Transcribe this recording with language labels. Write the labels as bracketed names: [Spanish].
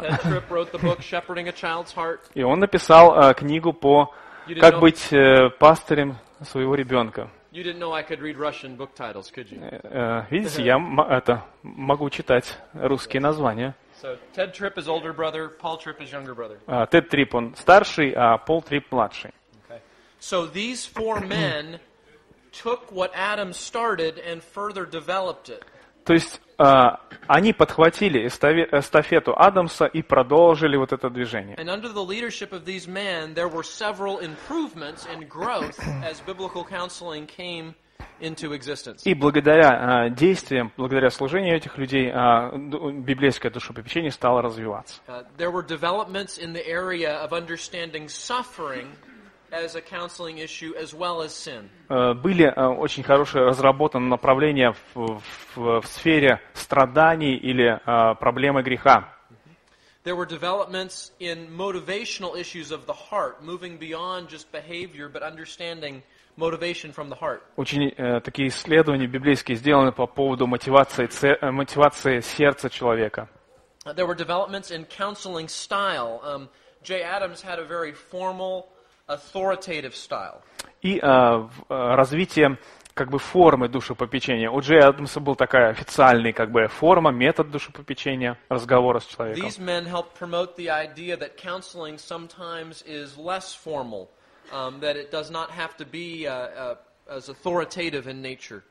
[English] Ted Tripp wrote the book Shepherding a Child's Heart. [Russian] И он написал книгу по «Как быть пастырем своего ребенка». [English] You didn't know I could read Russian book titles, could you? [Russian] Видите, я могу читать русские названия. [English] So Ted Tripp is older brother, Paul Tripp is younger brother. [Russian] Тед Трипп, он старший, а Пол Трипп младший. [English] Okay. So these four men took what Adam started and further developed it. [Russian] То есть они подхватили эстафету Адамса и продолжили вот это движение. [English] And under the leadership of these men, there were several improvements and growth as biblical counseling came into existence. [Russian] И благодаря действиям, благодаря служению этих людей, библейское душепопечение стало развиваться. [English] There were developments in the area of understanding suffering as a counseling issue, as well as sin. [Russian] Были очень хорошие разработаны направления в сфере страданий или проблемы греха. [English] There were developments in motivational issues of the heart, moving beyond just behavior, but understanding motivation from the heart. [Russian] Очень такие исследования библейские сделаны по поводу мотивации сердца человека. [English] There were developments in counseling style. Jay Adams had a very formal authoritative style. [Russian] И развитие как бы формы душепопечения. У Джей Адамса был такая официальный как бы форма, метод душепопечения, разговора с человеком. [English] These men help promote the idea that counseling sometimes is less formal, that it does not have to be as authoritative in nature.